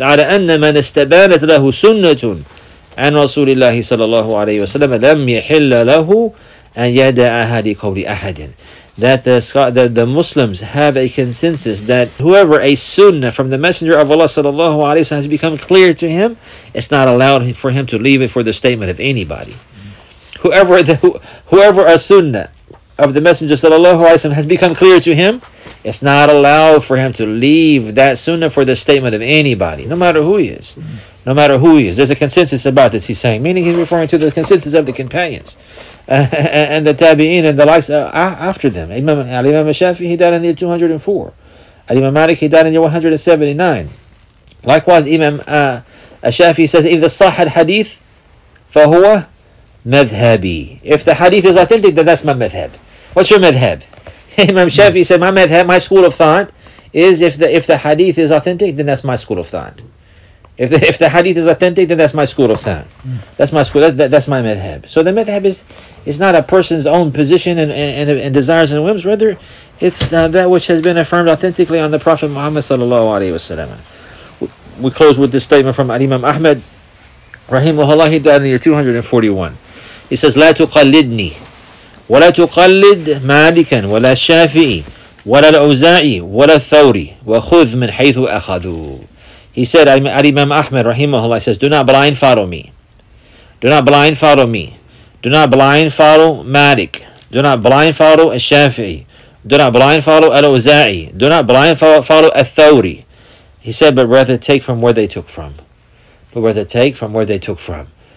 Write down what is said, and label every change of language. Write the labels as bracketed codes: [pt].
[ar] عَلَى أَنَّ مَنْ اسْتَبَانَتْ لَهُ سُنَّةٌ عن رسول الله صلى الله عليه وسلم لم يحل له أن يدع هذه قول أحد. [en] That the Muslims have a consensus that whoever a sunnah from the Messenger of Allah [ar] صلى الله عليه وسلم [en] has become clear to him, it's not allowed for him to leave it for the statement of anybody. Whoever a sunnah of the Messenger [ar] صلى الله عليه وسلم [en] has become clear to him, it's not allowed for him to leave that sunnah for the statement of anybody, no matter who he is. No matter who he is, there's a consensus about this, he's saying. Meaning he's referring to the consensus of the companions and the tabi'een and the likes after them. Al-Imam al-Shafi, he died in the year 204. Al-Imam Malik, he died in the year 179. Likewise, Imam Ash-Shafi says, [ar] إِذَا صَحَ الْحَدِيثِ فَهُوَ مَذْهَبِي. [en] If the hadith is authentic, then that's my madhab. What's your madhab? Imam Shafi said, my madhab, my school of thought, is if the hadith is authentic, then that's my school of thought. If the hadith is authentic, then that's my school of thought. That's my school. That's my madhab. So the madhab is not a person's own position and desires and whims. Rather, it's that which has been affirmed authentically on the Prophet Muhammad sallallahu alaihi wasallam. We close with this statement from Imam Ahmad, rahimahullah. He died in the year 241. He says, [ar] "لا تقلدني ولا تقلد مالكا ولا الشافعي ولا العزائي ولا الثوري وخذ من حيث أخذوا." [en] He said, Imam Ahmad, rahimahullah, says, do not blind follow me. Do not blind follow me. Do not blind follow Malik. Do not blind follow Al-Shafi'i. Do not blind follow Al-Uza'i. Do not blind follow Al-Thawri. He said, but rather take from where they took from. But rather take from where they took from.